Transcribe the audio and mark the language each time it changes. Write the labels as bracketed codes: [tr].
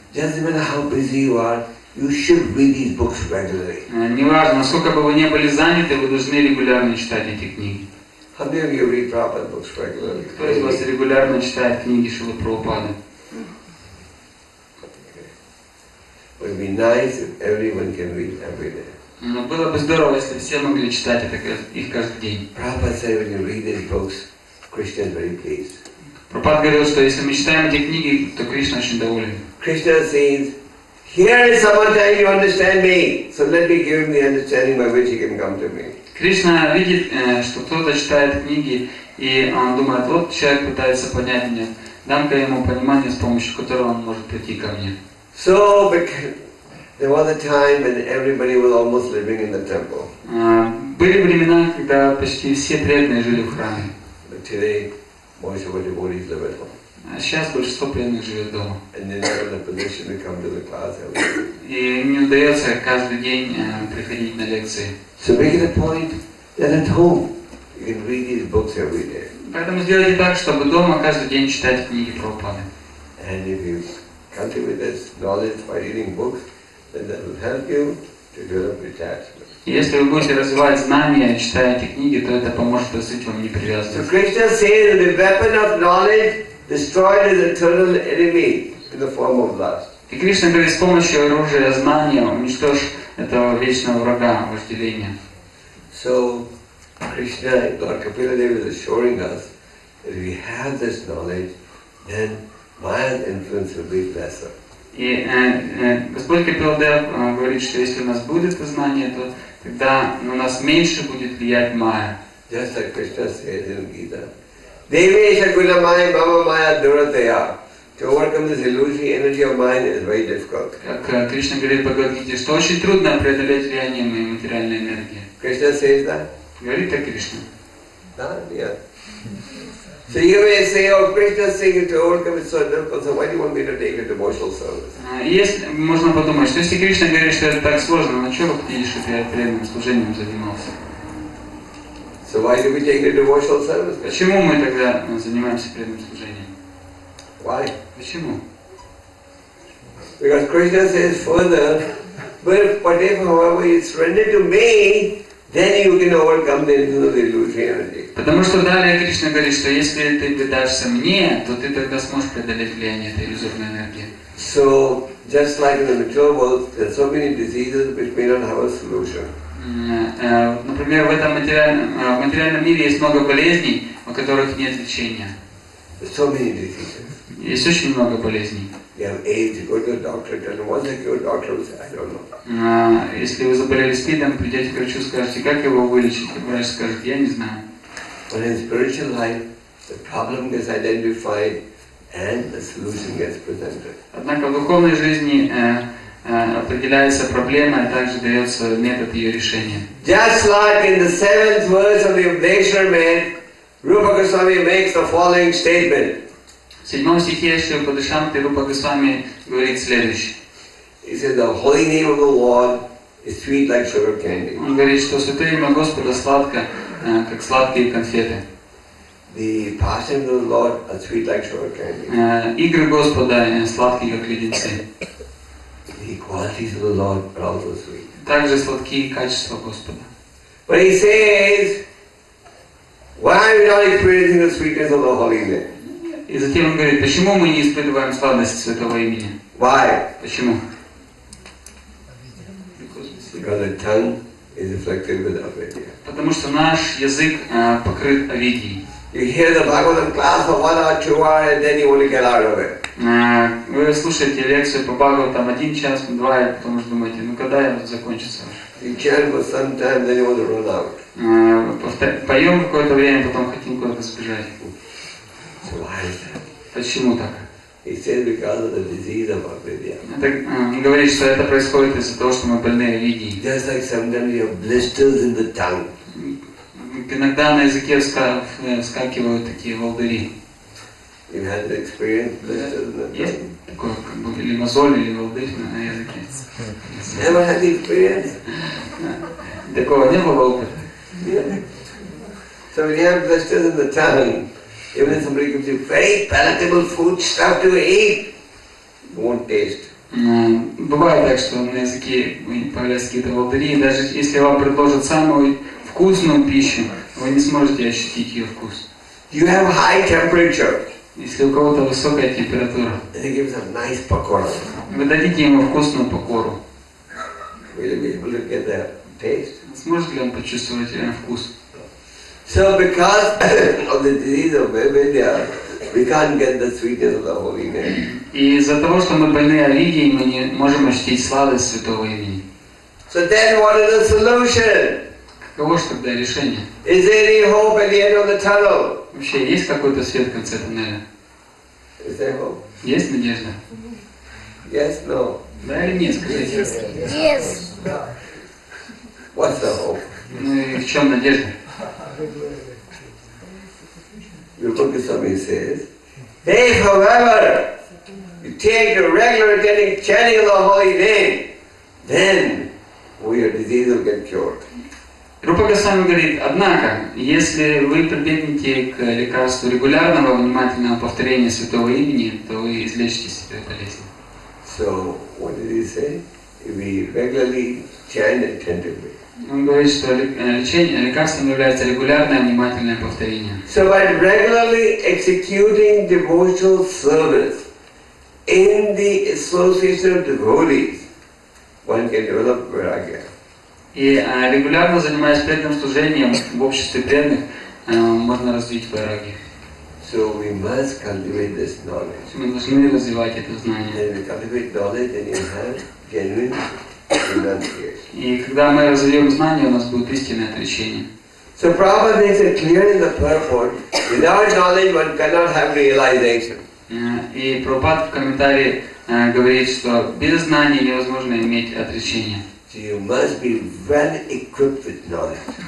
[en] Just no matter how busy you are, you should read these books regularly. [ru] Неважно, сколько бы вы ни были заняты, вы должны регулярно читать эти книги. [en] How many of you read Prabhupada books regularly? [ru] Кто из вас регулярно читает книги Шрилы Прабхупады? [en] It would be nice if everyone can read every day. [ru] Но было бы здорово, если все могли читать это их каждый день. [en] Prabhupada said, when you read these books, Krishna is very pleased. [ru] Прабхупада говорил, что если мы читаем эти книги, то Кришна очень доволен. [en] Krishna says, here is someone telling you understand me, so let me give him the understanding by which he can come to me. [ru] Кришна видит, что кто-то читает книги, и он думает, вот человек пытается понять меня. Дам-ка ему понимание, с помощью которого он может прийти ко мне. [en] So, there was a time when everybody was almost living in the temple. [ru] Были времена, когда почти все преданные жили в храме. [en] But today, most of the devotees live at home. [ru] Сейчас большинство преданных живет дома. [en] And they're not in a position to come to the class every day. [ru] И им не удается каждый день приходить на лекции. [en] So make it a point that at home you can read these books every day. [ru] Поэтому сделайте так, чтобы дома каждый день читать книги Прабхупады. [en] And if you cultivate this knowledge by reading books, then that will help you to develop attachment. [ru] Если вы будете развивать знания, читая эти книги, то это поможет усыть вам непривязанность. [en] So Krishna says that the weapon of knowledge destroyed his eternal enemy in the form of lust. [ru] И Кришна говорит, с помощью оружия знания уничтожь этого вечного врага, вожделения. [en] So Krishna, Lord Kapila Dev is assuring us that if we have this knowledge, then Maya's influence will be lesser. [ru] И Господь Капиладев говорит, что если у нас будет знание, то тогда на нас меньше будет влиять майя. [en] Just like Krishna says in Gita. [sa] Devesha guna maya bhava maya durateya. [en] To overcome this illusory energy of mind is very difficult. [ru] Как Кришна говорит в Бхагавад-гите, что очень трудно преодолеть влияние моей материальной энергии. [en] Krishna says that? [ru] Говорит так Кришна. Да, нет. [en] So you may say, oh, Krishna is saying to overcome it so difficult, so why do you want me to take a devotional service? [ru] Можно подумать, что если Кришна говорит, что это так сложно, на чего ты идешь, чтобы я преданным служением занимался? [en] So why do we take a devotional service? [ru] Почему мы тогда занимаемся преданным служением? [en] Why? [ru] Почему? [en] Because Krishna says further, but if however you surrender to me, then you can overcome the illusory energy. [ru] Потому что далее Кришна говорит, что если ты предашься мне, то ты тогда сможешь преодолеть влияние этой иллюзорной энергии. [en] So just like in the material world, there are so many diseases which may not have a solution. [ru] Например, в этом материальном мире есть много болезней, у которых нет лечения. [en] So many diseases. [ru] Есть очень много болезней. [en] You have AIDS, you go to the doctor, tell them, what's the cure? Doctor will say, I don't know. [ru] Если вы заболели СПИДом, придете к врачу, скажете, как его вылечить? Врач скажет, я не знаю. [en] But in spiritual life, the problem gets identified and the solution gets presented. [ru] Однако в духовной жизни определяется проблема и также дается метод ее решения. [en] Just like in the seventh verse of the Upadeshwarman, Rupa Goswami makes the following statement. [ru] В седьмом стихе Шрила Падашанты Рупа Госвами говорит следующее. [en] He said, "The holy name of the Lord is sweet like sugar candy." [ru] Он говорит, что святое имя Господа сладко. Как сладкие конфеты. [en] The passion of the Lord are sweet like sugar candy. [ru] Игры Господа сладкие как леденцы. [en] The qualities of the Lord are also sweet. [ru] Также сладкие качества Господа. [en] But he says, why are we not experiencing the sweetness of the holy name? [ru] И затем он говорит, почему мы не испытываем сладость святого имени? [en] Why? [ru] Почему? [en] Because the tongue is afflicted with avidya. [ru] Потому что наш язык покрыт авидией. [en] You hear the Bhagavatam class for 1 hour, 2 hours, and then you only get out of it. [ru] Вы слушаете лекцию по Бхагаватам один час, два, и потом уже думаете, ну когда я закончится? [en] You chant for some time, then you want to run out. [ru] Поем какое-то время, потом хотим куда-то сбежать. [en] So why is that? [ru] Почему так? [en] He said because of the disease of avidya. [ru] Он говорит, что это происходит из-за того, что мы больны авидьей. [en] Just like sometimes you have blisters in the tongue. [ru] Иногда на языке вскакивают такие волдыри. [en] You had the experience blisters in the tongue. [ru] Есть такое, или мозоль, или волдырь на языке. [en] Never had the experience. [ru] Такого не было опыта. [en] So when you have blisters in the tongue, even if somebody gives you very palatable food stuff to eat, you won't taste. [ru] Бывает так, что на языке появляются какие-то волдыри, и даже если вам предложат самую вкусную пищу, вы не сможете ощутить ее вкус. [en] You have high temperature. [ru] Если у кого-то высокая температура. [en] And he gives a nice pakora. [ru] Вы дадите ему вкусную пакору. [en] Will you be able to get the taste? [ru] Сможет ли он почувствовать ее вкус? [en] So because of the disease of avidya, we can't get the sweetness of the holy name. [ru] И из-за того, что мы больны авидьей, мы не можем ощутить сладость святого имени. [en] So then what is the solution? [ru] Каково же тогда решение? [en] Is there any hope at the end of the tunnel? [ru] Вообще, есть какой-то свет в конце туннеля? [en] Is there hope? [ru] Есть надежда? [en] Yes, no. [ru] Да или нет, скажите? [en] Yes. What's the hope? [ru] Ну и в чем надежда? [en] Rupa Goswami says, if however you take a regular attending chanting of the holy name, then your disease will get cured. [ru] Rupa Goswami говорит, однако, если вы прибегнете к лекарству регулярного внимательного повторения святого имени, то вы излечитесь от этой болезни. [en] So what did he say? If we regularly chant attentively. [ru] Он говорит, что лечение, лекарством является регулярное внимательное повторение. [en] So by regularly executing devotional service in the association of devotees, one can develop vairagya. [ru] И регулярно занимаясь преданным служением в обществе преданных, можно развить вайраги. [en] So we must cultivate this knowledge. [ru] Мы должны развивать это знание. [en] And we cultivate knowledge, and you have genuine renunciation. [ru] И когда мы развиваем знание, у нас будет истинное отречение. [en] So Prabhupada makes it clear in the purport: without knowledge, one cannot have realization. [ru] И Прабхупада в комментарии говорит, что без знания невозможно иметь отречение. [en] So you must be well equipped with knowledge.